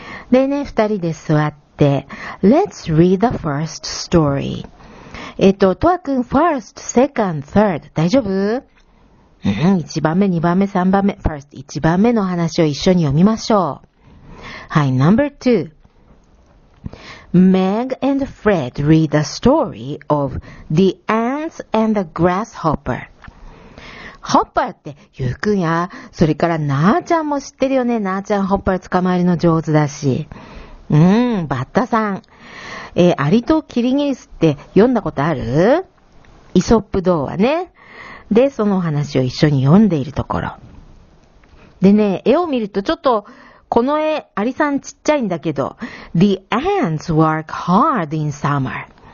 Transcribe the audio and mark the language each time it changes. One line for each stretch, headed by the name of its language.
English: でね、二人で座って。 Let's read the first story.
Japanese: トア君、 first, second, third, 大丈夫? うん、1番目、2番目、3番目、first、1番目の話を一緒に読みましょう。
English: はい、number two。 Meg and Fred read the story of the ants and the grasshopper。
Japanese: ホッパーって言うくんや、それからなーちゃんも知ってるよね。なーちゃんホッパー捕まえるの上手だし。バッタさん。アリとキリギリスって読んだことある?イソップ童話ね。で、その話を一緒に読んでいるところ。でね、絵を見るとちょっと、この絵、アリさんちっちゃいんだけど、 The ants work hard in summer.